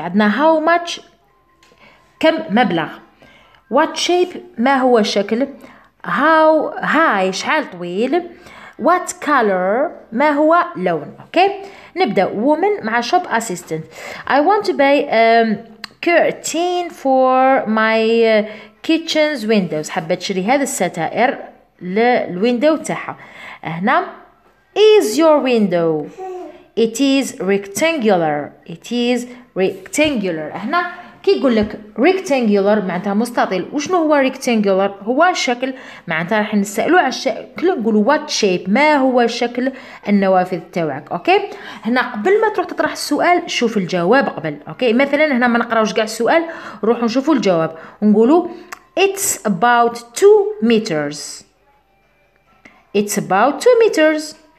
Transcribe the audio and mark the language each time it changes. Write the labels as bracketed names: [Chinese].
[Arabic] عندنا [English] how much [Arabic] كم مبلغ، [English] what shape [Arabic] ما هو الشكل، [English] how high [Arabic] شحال طويل، [English] what color [Arabic] ما هو لون. اوكي نبدا [English] woman مع shop assistant I want to buy curtain for my kitchen's windows. [Arabic] حبيت تشري هذا الستائر للويندو تاعها. [English] هنا is your window it is rectangular، it is rectangular. [Arabic] هنا كي يقول لك rectangular معناتها مستطيل، وشنو هو rectangular؟ هو شكل، معناتها راح نسالو على الشكل نقولو [English] what shape [Arabic] ما هو شكل النوافذ تاعك. اوكي هنا قبل ما تروح تطرح السؤال شوف الجواب قبل. اوكي مثلا هنا ما نقراوش كاع السؤال، نروحو نشوفو الجواب ونقولو [English] it's about 2 meters، [Arabic] it's about 2 meters.